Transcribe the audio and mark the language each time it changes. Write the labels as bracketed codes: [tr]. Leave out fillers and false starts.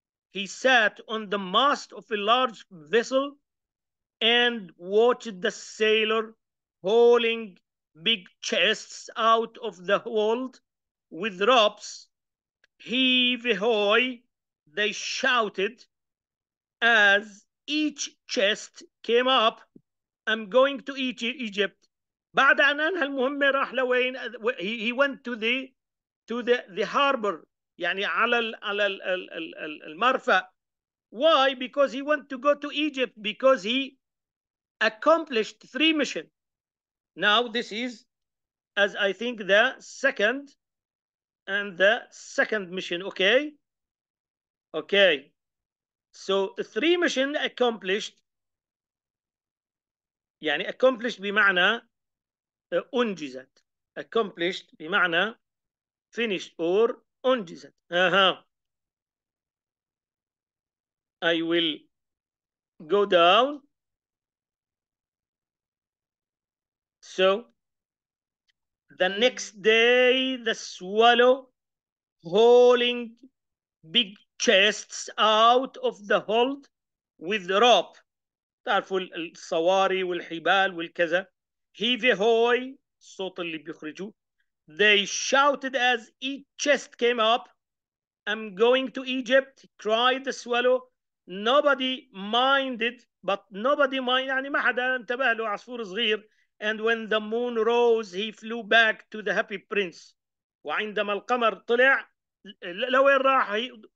[en] He sat on the mast of a large vessel and watched the sailor hauling big chests out of the hold with ropes. Heave ahoy, they shouted as each chest came up. I'm going to Egypt. [ar] بعد أن أنهى المهمة راح لوين؟ [en] He went to the harbor. [ar] يعني على المرفأ. [en] Why? Because he went to go to Egypt. Because he accomplished 3 missions. Now this is, as I think, the second and the second mission, okay? Okay. So three mission accomplished. [ar] يعني accomplished بمعنى أنجزت. [en] Accomplished [ar] بمعنى [en] finished or [ar] أنجزت. [en] I will go down. So the next day, the swallow hauling big chests out of the hold with the rope. [ar] تعرفوا الصواري والحبال والكذا. [en] Heavy hoy, [ar] الصوت اللي بيخرجوا. [en] They shouted as each chest came up. I'm going to Egypt, cried the swallow. Nobody minded, but nobody minded. [ar] يعني ما حدا انتبه له عصفور صغير. [en] And when the moon rose, he flew back to the happy prince. [ar] وعندما القمر طلع, لوين راح?